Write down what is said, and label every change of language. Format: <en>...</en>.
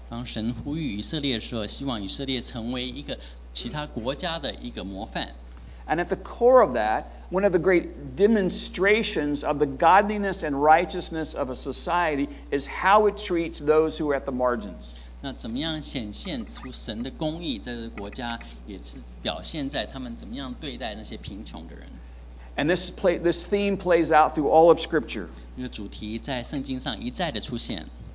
<zh>当神呼吁以色列的时候，希望以色列成为一个其他国家的一个模范。</zh> <en>And at the core of that, one of the great demonstrations of the godliness and righteousness of a society is how it treats those who are at the margins.</en> <zh>那怎么样显现出神的公义在这个国家，也是表现在他们怎么样对待那些贫穷的人。</zh> <en>And this, play, this theme plays out through all of Scripture.</en> <zh>这个主题在圣经上一再的出现。</zh>